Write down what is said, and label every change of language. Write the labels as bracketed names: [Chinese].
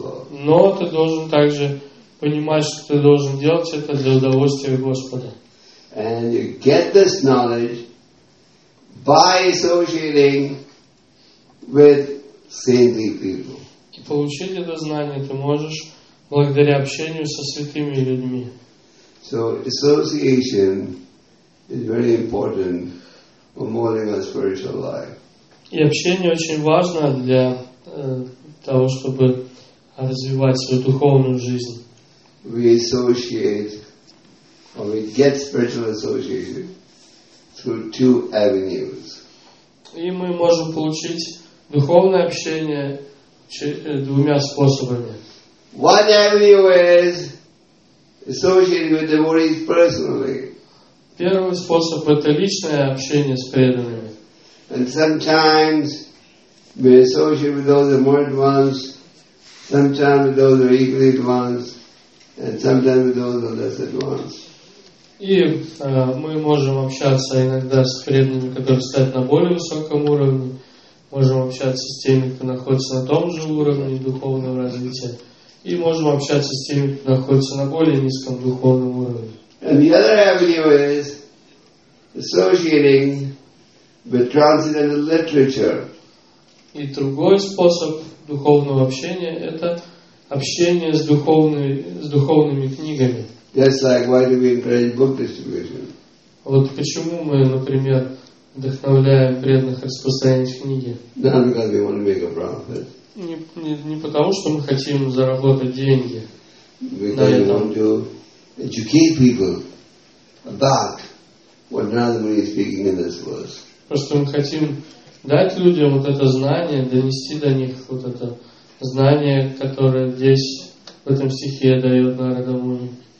[Russian] Но ты должен также понимать, что ты должен делать это для удовольствия Господа. [English] And you get this knowledge by associating with saintly people. [Russian] И получить это знание ты можешь благодаря общению со святыми людьми. [English] So association is very important for molding our spiritual life. [Russian] И общение очень важно для того, чтобы развивать свою духовную жизнь. [English] We associate or we get spiritual association through two avenues. [Russian] И мы можем получить духовное общение двумя способами. [English] One avenue is associating with devotees personally. [Russian] Первый способ – это личное общение с преданными. [English] And sometimes we associate with those immortal ones, sometimes with those equally advanced, and sometimes with those less advanced. [Russian] И мы можем общаться иногда с преданными, которые стоят на более высоком уровне, можем общаться с теми, кто находится на том же уровне духовного развития, и можем общаться с теми, кто находится на более низком духовном уровне. [English] And the other avenue is associating with transcendental literature. [Russian] И другой способ духовного общения – это общение с духовными книгами. [English] That's like why do we encourage book distribution? [Russian] Вот почему мы, например, вдохновляем преданных распространять книги. [English] Not because we want to make a profit. [Russian] Не потому, что мы хотим заработать деньги. [English] Because we want to educate people about what Nandamuni is speaking in this verse. [Russian] Просто мы хотим дать людям вот это знание, донести до них вот это знание, которое здесь в этом стихе дает Нарадамуни.